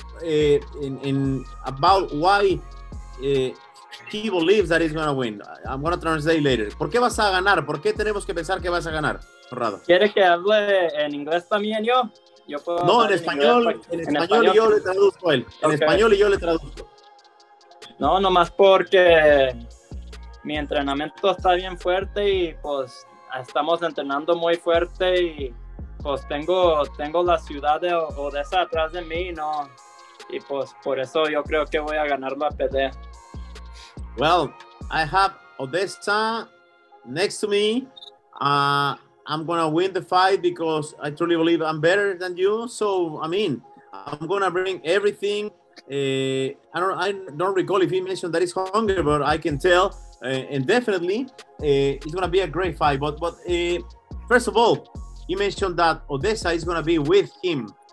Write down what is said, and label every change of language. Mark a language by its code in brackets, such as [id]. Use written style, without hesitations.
[en] In about why he believes that he's gonna win. I'm gonna translate later. [es] ¿Por qué vas a ganar? ¿Por qué tenemos que pensar que vas a ganar, Conrado? ¿Quieres que hable en inglés también yo? Yo puedo. No, en español. Yo le traduzco a él. Okay. En español y yo le traduzco. No, nomás porque mi entrenamiento está bien fuerte y pues estamos entrenando muy fuerte y pues tengo la ciudad de Odessa atrás de mí, ¿no? Y pues por eso yo creo que voy a ganar la pelea. [en] Well, I have Odessa next to me. I'm gonna win the fight because I truly believe I'm better than you. So I mean, I'm gonna bring everything. I don't recall if he mentioned that he's hungry, but I can tell. And definitely, it's gonna be a great fight. But first of all, he mentioned that Odessa is gonna be with him.